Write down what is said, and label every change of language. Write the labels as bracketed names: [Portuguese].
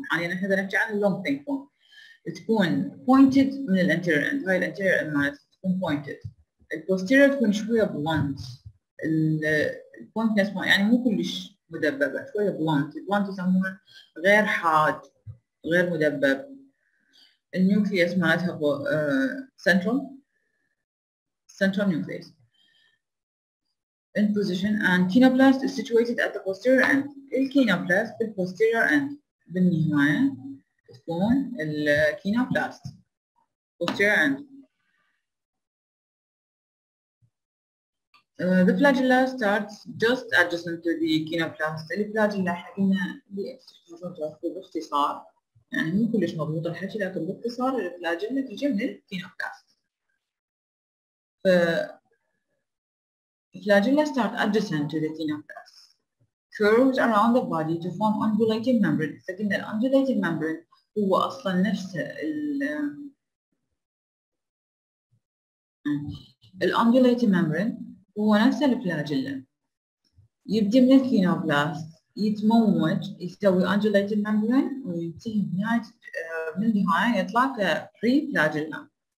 [Arabic] حاليا احنا نحكي عن اللونج ثينك بون. تكون بوينتد من الانتيريور اند، هاي الانتيريور اند مالتها تكون بوينتد. البوستيريور تكون شوية بلانت، البوينتنس يعني مو كلش مدببة، شوية بلانت. بلانت يسموها غير حاد غير مدبب. النيوكليوس مالتها سنترال [English] central nucleus in position and kinoplast is situated at the posterior end. [Arabic] الكينوبلاست بالposterior end. بالنهاية تكون الكينوبلاست posterior end. [English] The flagella starts just adjacent to the kinoplast. [Arabic] الفلاجيلا حقنا اللي تحتاجون تعرفوا باختصار، يعني مو كلش مضبوط الحكي، لكن باختصار الفلاجيلا تجي من الكينوبلاست. [English] Flagella start adjacent to the kinoplast, curves around the body to form undulating membrane. Second, the undulating membrane [Arabic] هو أصلا نفسه ال undulating membrane هو نفسه الفلاجيلا. يبدأ من الكينوبلاست يتموج يسوي undulating membrane وينتهي من النهاية يطلع كpreflagella.